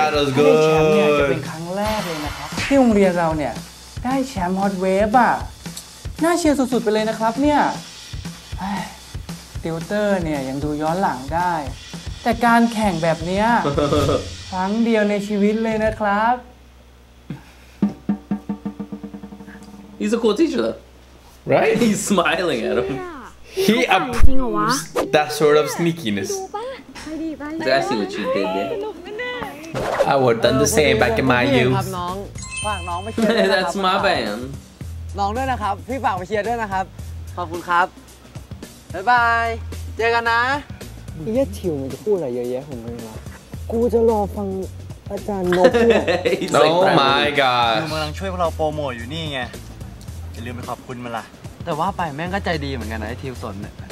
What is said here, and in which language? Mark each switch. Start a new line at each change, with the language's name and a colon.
Thai: แชมป์เนี่ยจะเป็นครั้งแรกเลยนะครับที่โรงเรียนเราเนี่ยได้แชมป์ฮอตเวฟอ่ะน่าเชียร์สุดๆไปเลยนะครับเนี่ยติวเตอร์เนี่ยยังดูย้อนหลังได้แต่การแข่งแบบนี้ครั้งเดียวในชีวิตเลยนะครับ
English: He's a cool teacher though Right? He's smiling at him He approves that sort of sneakiness Did I see what you did there? I would have done the same back in my youth That's my band
Thai: น้องด้วยนะครับพี่ฝากมาเชียร์ด้วยนะครับ ขอบคุณครับบ๊ายบายเจอกันนะ เฮียทิวมันจะพูดอะไรเยอะแยะของมึงวะกูจะรอฟังอาจารย์นกเ
English: นี่ย Oh my god
Thai: มึงกำลังช่วยพวกเราโปรโมทอยู่นี่ไงอย่าลืมไปขอบคุณมันล่ะแต่ว่าไปแม่งก็ใจดีเหมือนกันนะไอ้ทิวสนเนี่ย